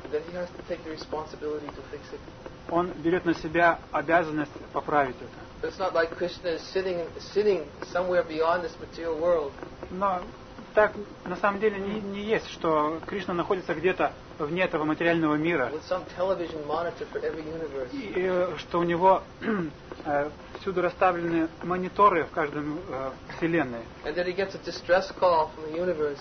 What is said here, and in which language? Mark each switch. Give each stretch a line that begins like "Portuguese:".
English: then he has to take the responsibility to fix it.
Russian: Он берет на себя обязанность поправить это.
English: It's not like Krishna is sitting somewhere beyond this material world.
Russian: Но так на самом деле не есть, что Кришна находится где-то вне этого материального мира.
English: With some television monitor for every universe.
Russian: И что у него всюду расставлены мониторы в каждом вселенной.
English: And then he gets a distress call from the universe.